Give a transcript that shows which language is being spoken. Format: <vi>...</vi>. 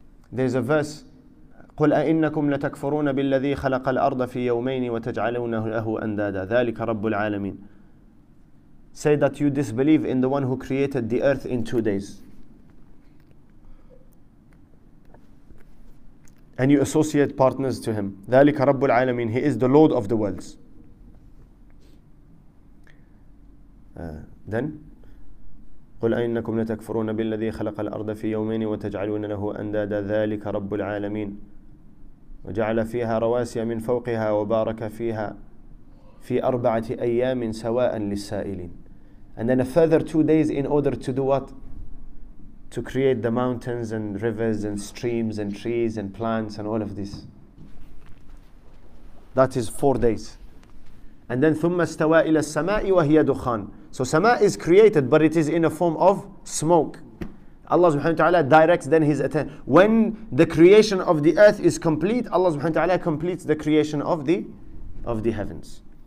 <en>There's a verse.</en> <ar>قُلْ أَإِنَّكُمْ لَتَكْفُرُونَ بِالَّذِي خَلَقَ الْأَرْضَ فِي يَوْمَيْنِ وَتَجْعَلُونَهُ لَهُ أَنْدَادًا ذَلِكَ رَبُّ الْعَالَمِينَ.</ar> <en>Say that you disbelieve in the one who created the earth in 2 days. And you associate partners to him.</en> <ar>ذَلِكَ رَبُّ الْعَالَمِينَ.</ar> <en>He is the Lord of the worlds. Then,</en> <ar>قُلْ أَإِنَّكُمْ لَتَكْفُرُونَ بِالَّذِي خَلَقَ الْأَرْضَ فِي يَوْمَيْنِ وَتَجْعَلُونَ لَهُ أَنْدَادًا ذَلِكَ رَبُّ الْعَالَمِينَ وجعل فيها رواسي من فوقها وبارك فيها في أربعة أيام سواء للسائلين.</ar> <en>And then a further 2 days in order to do what? To create the mountains and rivers and streams and trees and plants and all of this. That is 4 days. And then</en> <ar>ثم استوى إلى السماء وهي دخان.</ar> <en>So سماء is created, but it is in a form of smoke. Allah subhanahu wa ta'ala directs then his attention. When the creation of the earth is complete, Allah subhanahu wa ta'ala completes the creation of the heavens.</en>